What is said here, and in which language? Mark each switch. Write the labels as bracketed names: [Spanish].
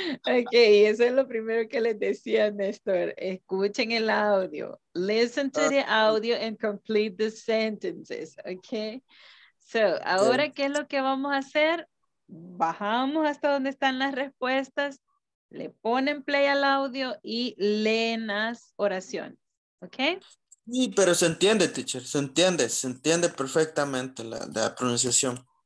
[Spanish] Ok, eso es lo primero que les decía, Néstor. Escuchen el audio. [English] Listen to the audio and complete the sentences. Ok. [Spanish] So, ahora, ¿qué es lo que vamos a hacer? Bajamos hasta donde están las respuestas. Le ponen play al audio y leen las oraciones. Ok. Sí, pero se entiende, teacher. Se entiende perfectamente la pronunciación.